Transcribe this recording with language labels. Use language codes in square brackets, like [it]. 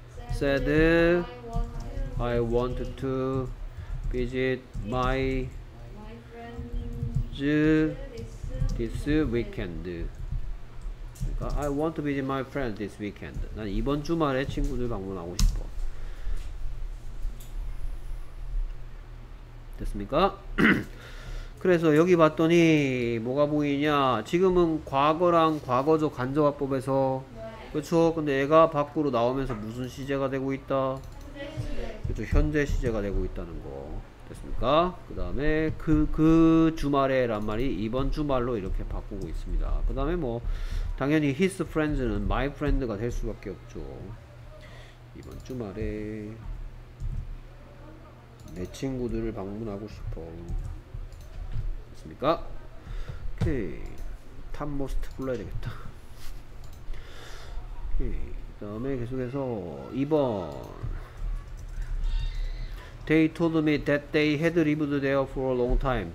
[en] said I want to visit my friends this weekend. [ko] 그러니까 [en] I want to visit my friends this weekend. [ko] 난 이번 주말에 친구들 방문하고 싶어. 됐습니까? 그래서 여기 봤더니 뭐가 보이냐? 지금은 과거랑 과거조 간접합법에서 그렇죠. 근데 얘가 밖으로 나오면서 무슨 시제가 되고 있다? 그렇죠. 현재 시제가 되고 있다는 거. 됐습니까? 그 다음에 그 주말에란 말이 이번 주말로 이렇게 바꾸고 있습니다. 그 다음에 뭐 당연히 his friends는 my friend가 될 수밖에 없죠. 이번 주말에 내 친구들을 방문하고 싶어. 됐습니까? 오케이. 탑모스트 불러야 되겠다. 그 다음에 계속해서 2번 [en] They told me that they had lived there for a long time.